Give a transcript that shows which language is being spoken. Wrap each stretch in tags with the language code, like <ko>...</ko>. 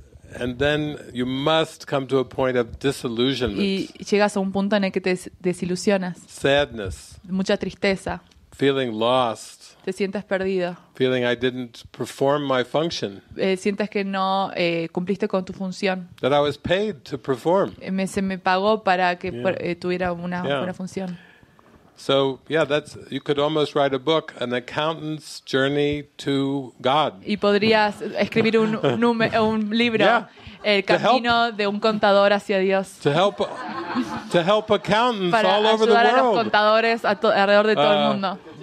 <en>And then you must come to a point of disillusionment.</en> <es>Y llegas a un punto en el que te desilusionas.</es> <en>Sadness.</en> <es>Mucha tristeza.</es> <en>Feeling lost.</en> <es>Te sientes perdido.</es> <en>Feeling I didn't perform my function.</en> <es>Sientes que no cumpliste con tu función.</es> <en>That I was paid to perform.</en> <es>Se me pagó para que tuviera una buena función.</es> <en>So yeah, that's you could almost write a book, an accountant's journey to God.</en> <es>Y podrías escribir un libro, el camino de un contador hacia Dios.</es> <en>To help accountants</en> <es>para</es> <en>all over the world.</en> <es>Para ayudar a los contadores alrededor de todo el mundo.</es>